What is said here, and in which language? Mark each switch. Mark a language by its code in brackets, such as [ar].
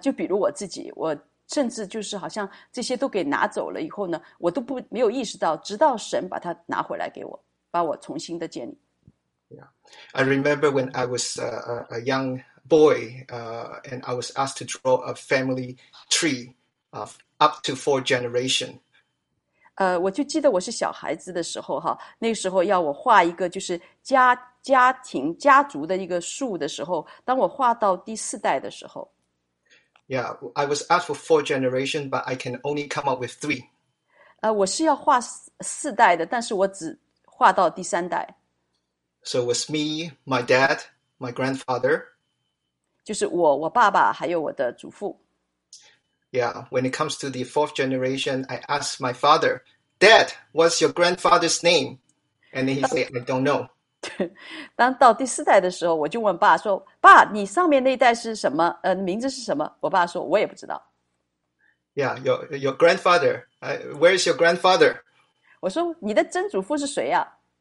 [zh] 就比如我自己，我甚至就是好像这些都给拿走了以后呢，我都不没有意识到，直到神把它拿回来给我，把我重新的建立。 [en] I remember when I was a young boy, and I was asked to draw a family tree of up to four generations. [zh] 我就记得我是小孩子的时候哈，那时候要我画一个就是家庭家族的一个树的时候，当我画到第四代的时候 [en] ，Yeah, I was asked for four generations, but I can only come up with three. [zh] 我是要画四代的，但是我只画到第三代。 [en] So it was me, my dad, my grandfather. [zh] 就是我，我爸爸，还有我的祖父。 [en] Yeah, when it comes to the fourth generation, I asked my father, Dad, what's your grandfather's name? And then he said, I don't know. [zh] 当到第四代的时候，我就问爸说，爸，你上面那代是什么？名字是什么？我爸说，我也不知道。 [en] Yeah, your grandfather. Where is your grandfather? [zh] 我说，你的曾祖父是谁呀？